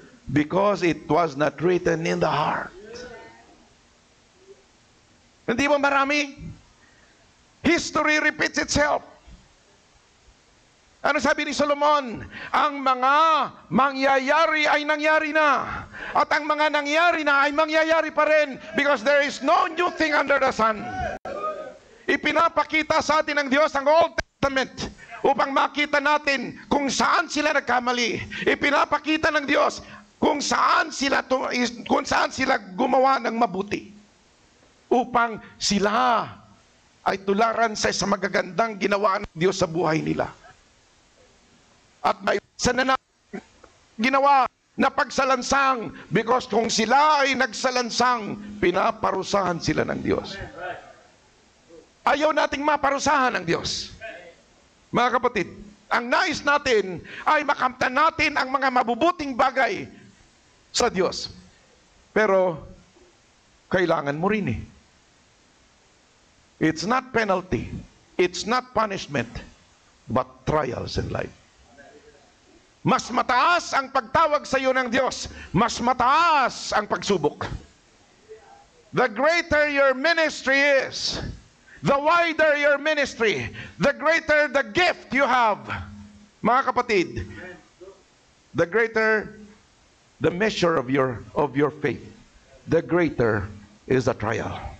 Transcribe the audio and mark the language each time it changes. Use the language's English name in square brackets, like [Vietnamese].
[English] Because it was not written in the heart. [Filipino] Hindi ba marami? [English] History repeats itself. [Filipino] Ano sabi ni Solomon? Ang mga mangyayari ay nangyari na. At ang mga nangyari na ay mangyayari pa rin. [English] Because there is no new thing under the sun. [Filipino] Ipinapakita sa atin ng Diyos ang Old Testament upang makita natin kung saan sila nagkamali. Ipinapakita ng Diyos kung saan sila gumawa ng mabuti upang sila ay tularan sa isang magagandang ginawa ng Diyos sa buhay nila. At may isa na ginawa na pagsalansang, because kung sila ay nagsalansang, pinaparusahan sila ng Diyos. Ayaw nating maparusahan ng Diyos. Mga kapatid, ang nais natin ay makamtan natin ang mga mabubuting bagay sa Diyos. Pero, kailangan mo rin eh. [English] It's not penalty. It's not punishment. But trials in life. [Filipino] Mas mataas ang pagtawag sa iyo ng Diyos. Mas mataas ang pagsubok. [English] The greater your ministry is, the wider your ministry, the greater the gift you have. [Filipino] Mga kapatid, [English] the greater the measure of your faith, the greater is the trial.